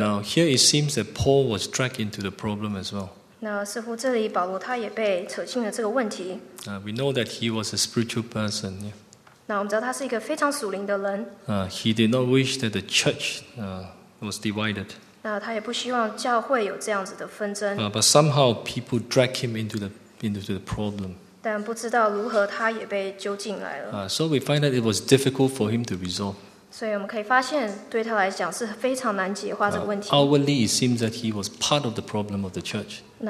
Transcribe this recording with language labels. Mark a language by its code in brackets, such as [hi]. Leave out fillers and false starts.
[en] Now here it seems that Paul was dragged into the problem as well. [zh] 那似乎这里保罗他也被扯进了这个问题。 [en] We know that he was a spiritual person. Yeah. [zh] 那我们知道他是一个非常属灵的人。 [en] He did not wish that the church was divided. [zh] 那他也不希望教会有这样子的纷争。 [en] But somehow people dragged him into the problem. [zh] 但不知道如何他也被揪进来了。 [en] So we find that it was difficult for him to resolve. [zh] 所以我们可以发现，对他来讲是非常难解化这个问题。 [en] Outwardly, it seems that he was part of the problem of the church.